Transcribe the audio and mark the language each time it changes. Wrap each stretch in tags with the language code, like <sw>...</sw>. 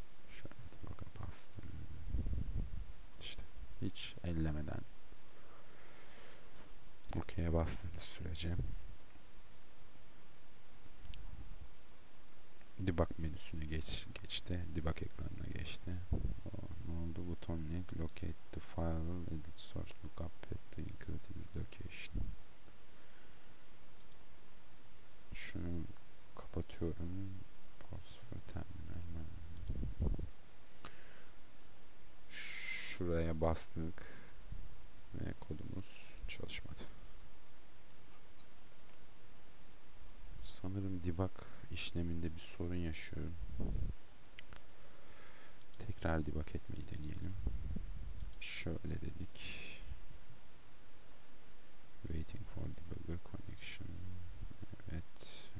<tr>Şöyle debug'a bastım. İşte hiç ellemeden OK'ye bastığınız sürece debug menüsüne geçti. Debug ekranına geçti. Oldu.</tr> <en>Buton link, locate the file, edit source, lookup at the included location.</en> <tr>Şunu kapatıyorum. Port 0 terminal. Şuraya bastık ve kodumuz çalışmadı. Sanırım debug işleminde bir sorun yaşıyorum. Tekrar debug etmeyi deneyelim. Şöyle dedik.</tr> <en>Waiting for debugger connection.</en> <tr>Evet.</tr>